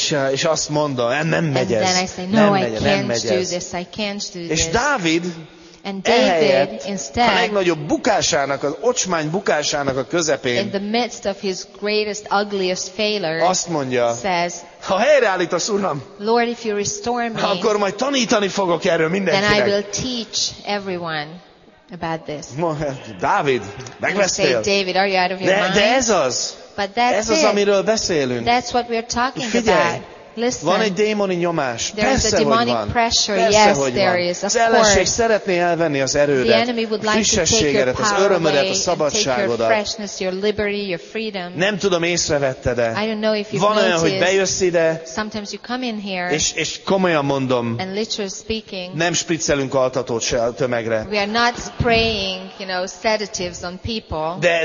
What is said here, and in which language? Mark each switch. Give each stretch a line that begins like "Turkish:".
Hungarian: És azt mondom, nem megy ez. És Dávid
English: and David,
Hungarian: ehelyett,
English: instead,
Hungarian: a legnagyobb bukásának, az ocsmány bukásának a közepén,
English: in the midst of his greatest, ugliest failure,
Hungarian: azt mondja,
English: says,
Hungarian: ha helyreállítasz, Uram,
English: Lord, if you restore me,
Hungarian: akkor majd tanítani fogok erről mindenkinek.
English: Then I will teach everyone about this.
Hungarian: Dávid, megvesztél?
English: You say, David, are you out of your mind?
Hungarian: De ez az.
English: But that's
Hungarian: ez az, amiről beszélünk.
English: That's what we're talking
Hungarian: figyelj.
English: About. Listen,
Hungarian: van egy démoni nyomás. Persze,
English: a
Hungarian: hogy van.
English: Pressure.
Hungarian: Persze,
English: yes,
Hungarian: hogy
English: there
Hungarian: van.
English: Is,
Hungarian: az ellenség szeretné elvenni az erődet,
English: the enemy would like
Hungarian: a frissességedet, az örömödet, a szabadságodat.
English: Your freshness, your liberty, your freedom.
Hungarian: Nem tudom, észrevetted-e.
English: I don't know if you've
Hungarian: van
English: noticed.
Hungarian: Olyan, hogy bejössz ide,
English: sometimes you come in here,
Hungarian: és komolyan mondom,
English: and literally speaking,
Hungarian: nem spriccelünk altatót se a tömegre.
English: We are not spraying, you know, sedatives on people.